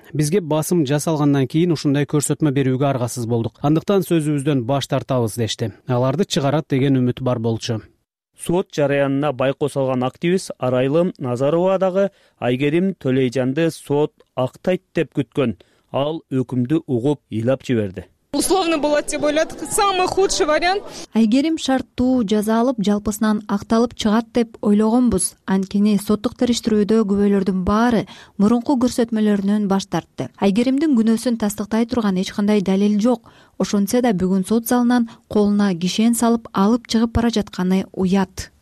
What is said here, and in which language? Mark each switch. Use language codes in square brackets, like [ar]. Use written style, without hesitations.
[ky] Бизге басым жасалгандан кийин ушундай көрсөтмө берүүгө аргасыз болдук. Андыктан сөзүбүздөн баш тартабыз дешти. Аларды чыгарат деген үмүт бар болчу. Сот жараянына байкоо салган активист Арайлым Назарова дагы Айгерим Төлөйжанды сот актайт деп күткөн. Ал өкүмдү угуп ыйлап жиберди. [ru] Условно было [ky] деп ойлодук, [ru] самый худший вариант. [ky] Айгерим шарттуу жаза алып, жалпысынан акталып чыгат деп ойлогонбуз. Анткени соттук териштирүүдө күбөлөрдүн баары мурунку көрсөтмөлөрүнөн баш тартты. Айгеримдин күнөөсүн тастыктай турган эч кандай далил жок. Ошентсе да бүгүн сот залынан колуна кишен салып алып чыгып бара жатканы уят.